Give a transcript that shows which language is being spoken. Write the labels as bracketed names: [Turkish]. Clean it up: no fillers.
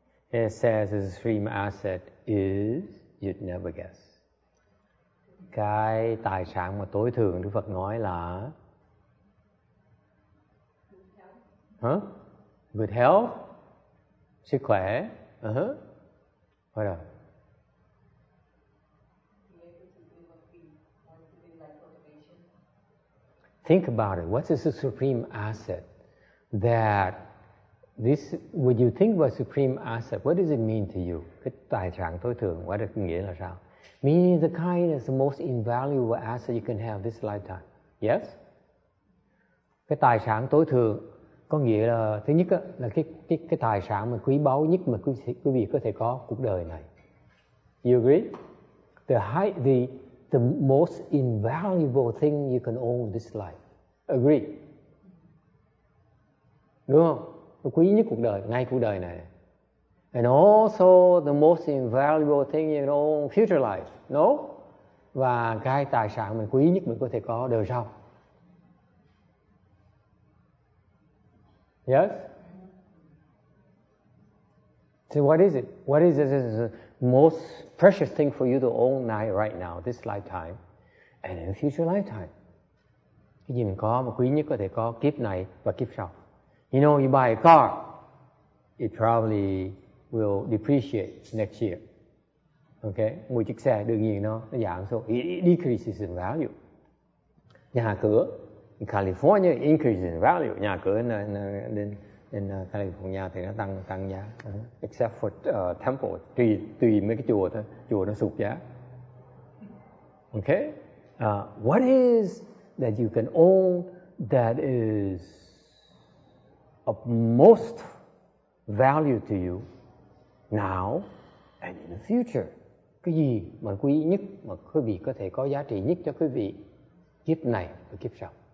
[English] It says the supreme asset is, you'd never guess. [Vietnamese] Cái tài sản mà tối thượng Đức Phật nói là [English] Huh? Good health? 식과해? Uh-huh. What else? Think about it. What is the supreme asset? That this, when you think about supreme asset, what does it mean to you? [Vietnamese] Cái tài sản tối thượng, [English] what does it mean [Vietnamese] là sao? [English] Meaning the kind is the most invaluable asset you can have this lifetime. Yes? [Vietnamese] Cái tài sản tối thượng có nghĩa là thứ nhất là cái tài sản mà quý báu nhất mà quý vị có thể có cuộc đời này. [English] You agree? The most invaluable thing you can own this life. Agree? [Vietnamese] Đúng không? Nó quý nhất cuộc đời, ngay cuộc đời này. [English] And also the most invaluable thing you can own future life. No? [Vietnamese] Và cái tài sản mình quý nhất mình có thể có đời sau. [English] Yes? So what is it? What is this? Most precious thing for you to own now, right now, this lifetime, and in future lifetime. [Vietnamese] Cái gì mình có mà quý nhất có thể có kiếp này và kiếp sau. [English] You know, you buy a car, it probably will depreciate next year. [Vietnamese] Okay, mua chiếc xe đương nhiên nó giảm số, [English] it decreases in value. [Vietnamese] Nhà cửa, in California, [English] increases in value. [Vietnamese] Nhà cửa nên California thì nó tăng giá, [English] except for temple, [Vietnamese] tùy mấy cái chùa thôi, chùa nó sụt giá. [English] Okay, what is that you can own that is of most value to you now and in the future? [Vietnamese] Cái gì mà quý nhất mà quý vị có thể có giá trị nhất cho quý vị kiếp này và kiếp sau?